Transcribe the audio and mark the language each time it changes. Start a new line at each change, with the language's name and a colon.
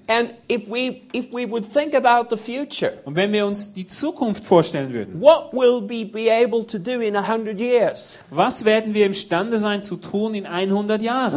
English: And if we would think about the future,
German: und wenn wir uns die Zukunft vorstellen würden,
English: what will we be able to do in 100 years?
German: Was werden wir imstande sein zu tun in 100 Jahren?